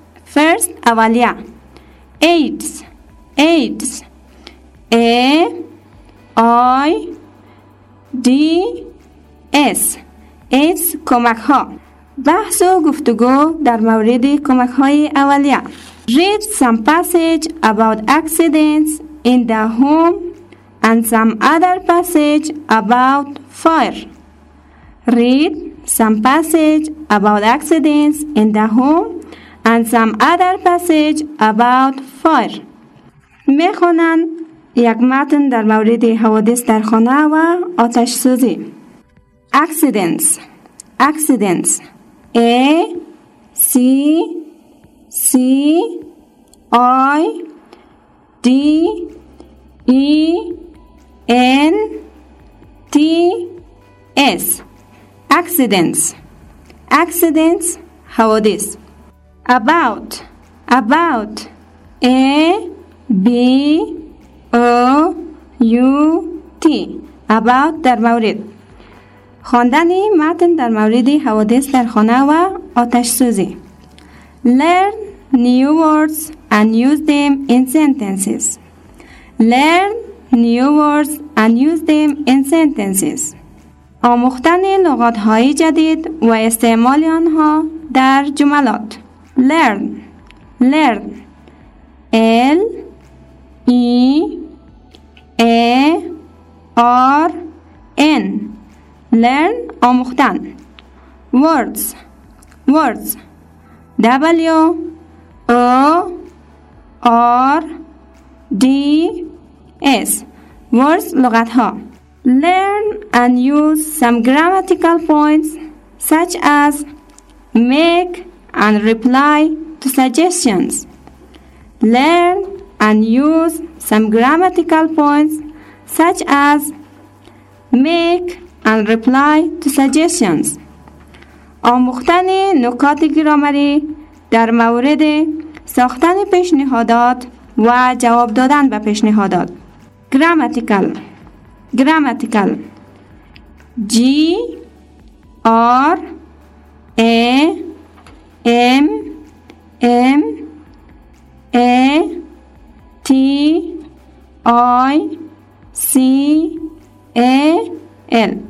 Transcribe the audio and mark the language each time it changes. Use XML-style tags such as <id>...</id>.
<en>First اولیا. AIDS. AIDS. A I D S.</en> <fa>AIDS کمک ها. بحث و گفتگو در مورد کمک های اولیه.</fa> <en>Read some passage about accidents in the home and some other passage about fire. Read some passage about accidents in the home and some other passage about fire.</en> <fa>می خوانند یک متن در مورد حوادث در خانه و آتش سوزی.</fa> <en>Accidents. Accidents. A C C I D E N T S. Accidents. Accidents. How about this? About. About. A B O U T.</en> <fa>About در مورد. خواندن متن در مورد حوادث در خانه و آتش سوزی.</fa> <en>Learn new words and use them in sentences. Learn new words and use them in sentences.</en> <fa>آموختن لغات های جدید و استعمال آنها در جملات.</fa> <en>Learn. Learn. L E A R N. Learn آموختن. Words. Words. W O R D S.</en> <fa>Words لغت ها.</fa> <en>Learn and use some grammatical points such as make and reply to suggestions. Learn and use some grammatical points such as make and reply to suggestions.</en> <fa>آموختن نکات گرامری در مورد ساختن پیشنهادات و جواب دادن به پیشنهادات.</fa> <en>Grammatical. Grammatical. G R A M M A T I C A L.</en>